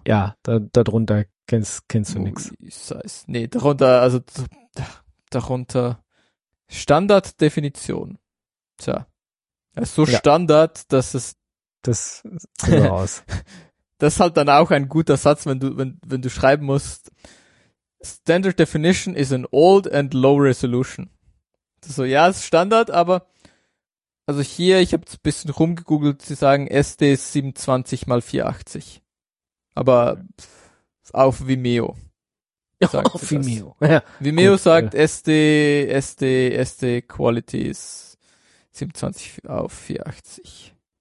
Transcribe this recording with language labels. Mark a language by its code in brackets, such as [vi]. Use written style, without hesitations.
[de] Ja, da drunter kennst du nix. Nee, darunter, also darunter Standarddefinition. Tja. Das ist so ja. Standard, dass es. Das sieht so aus. Das ist halt dann auch ein guter Satz, wenn du schreiben musst. [en] Standard Definition is an old and low resolution. [de] Das ist so, ja, ist Standard, aber. Also hier, ich habe ein bisschen rumgegoogelt, sie sagen SD ist 720x480. Aber auf Vimeo. Sagt auf Vimeo. Ja. Vimeo gut, sagt ja. SD Quality ist 720x480.